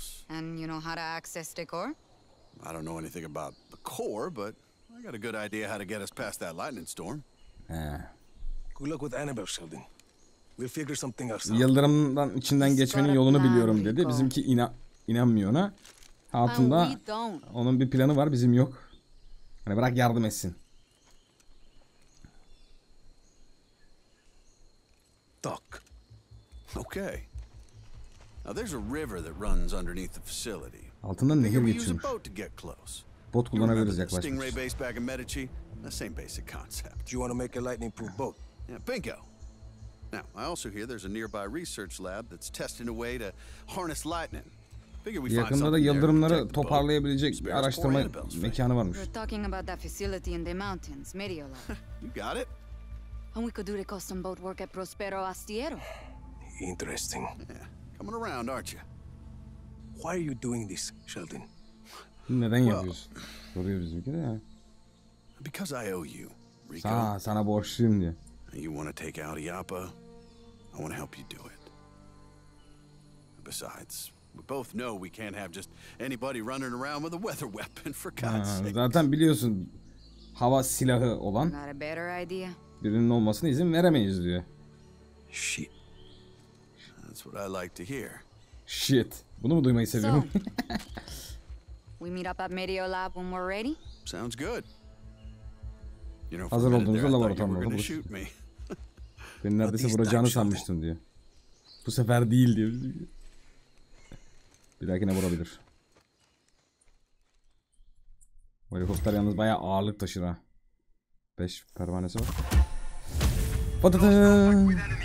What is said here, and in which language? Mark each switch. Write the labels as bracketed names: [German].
[English] And you know how to access the core? I don't know anything about the core, but I got a good idea how to get us past that lightning storm. Good luck with Annabelle, Sheldon. We'll figure something else out. [Turkish] Yıldırımdan içinden geçmenin yolunu biliyorum dedi. Bizimki inanmıyor ona. Altında onun bir planı var, bizim yok. Hani bırak yardım etsin. [English] Duck. Okay. Now there's a river that runs underneath the facility. [Turkish] Altından nehir geçiyormuş. Bot kullanabiliriz yaklaşmış. [English] Stingray base back in Medici. The same basic concept. Do you want to make a lightning-proof boat? Yeah, bingo. Now, I also hear there's a nearby research lab that's testing a way to harness lightning. [Turkish] Yakında da yıldırımları toparlayabilecek bir araştırma mekanı varmış. [English] We're talking about that facility in the mountains, Mediola. You got it. And we could do the custom boat work at Prospero Astiero. Interesting. Yeah, coming around, aren't you? Why are you doing this, Sheldon? [Turkish] Neden yapıyorsun? Soruyor bizimki de ya. [English] Because I owe you, Rico. [Turkish] Sana borçluyum diye. [English] You want to take out Iapa? I want to help you do it. Besides, we both know we can't have just anybody running around with a weather weapon, for God's sake. [Turkish] Zaten biliyorsun, hava silahı olan birinin olmasına izin veremeyiz diyor. [English] Shit. That's what I like to hear. Shit. [Turkish] Bunu mu duymayı seviyorum? [English] We meet up at Medio Lab when we're ready. Sounds good. [Turkish] Hazır olduğunuzda laboratuvarda buluş. Beni neredeyse vuracağını sanmıştım diyor. Bu sefer değil diyor. Bir dahakine vurabilir. O helikopter yalnız bayağı ağırlık taşır ha. 5 pervanesi var. Patatın.